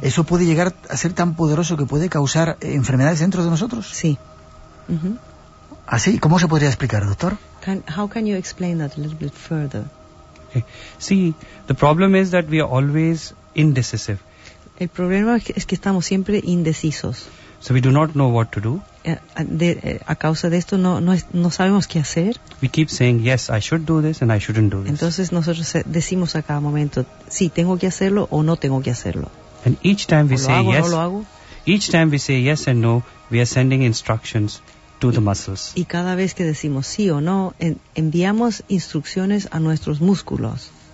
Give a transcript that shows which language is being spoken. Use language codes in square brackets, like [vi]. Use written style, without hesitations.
[es] ¿Eso puede llegar a ser tan poderoso que puede causar enfermedades dentro de nosotros? Sí. Uh-huh. ¿Así? ¿Cómo se podría explicar, doctor? [en] How can you explain that a little bit further? See, the problem is that we are always indecisive. [es] El problema es que estamos siempre indecisos. [en] So we do not know what to do. [es] A causa de esto no sabemos qué hacer. [en] We keep saying yes, I should do this and I shouldn't do this. [es] Entonces nosotros decimos a cada momento, sí, tengo que hacerlo o no tengo que hacerlo. [en] And each time we say yes, [es] no lo hago. [en] Each time we say yes and no, we are sending instructions to the muscles. [es] Y cada vez que decimos sí o no, enviamos instrucciones a nuestros músculos.